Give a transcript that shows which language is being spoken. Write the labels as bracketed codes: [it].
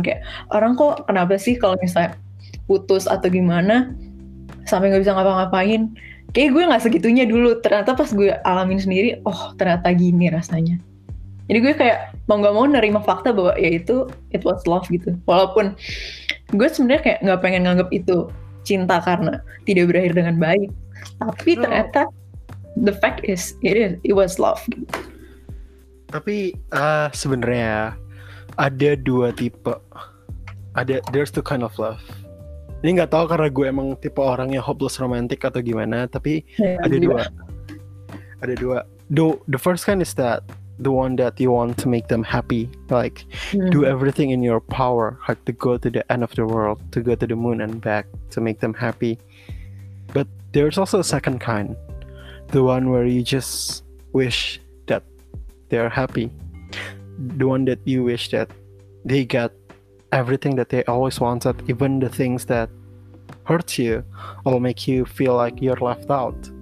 [id] Kayak orang kok kenapa sih kalau misalnya putus atau gimana sampai gak bisa ngapa-ngapain. Kayak gue gak segitunya dulu. Ternyata pas gue alamin sendiri, oh ternyata gini rasanya. Jadi gue kayak mau gak mau nerima fakta bahwa ya itu, [en] it was love [id] gitu. Walaupun gue sebenarnya kayak gak pengen nganggep itu cinta karena tidak berakhir dengan baik. Tapi no, [en] ternyata the fact is, it was love. [id] Tapi sebenarnya ada dua tipe. [en] There's two kind of love. [id] Ini gak tahu karena gue emang tipe orang yang hopeless romantic atau gimana. Tapi [en] yeah, [id] ada dua. [en] The first kind is that the one that you want to make them happy, like do everything in your power, like to go to the end of the world, to go to the moon and back to make them happy. But there's also a second kind, the one where you just wish that they're happy, the one that you wish that they get everything that they always wanted, even the things that hurt you or make you feel like you're left out.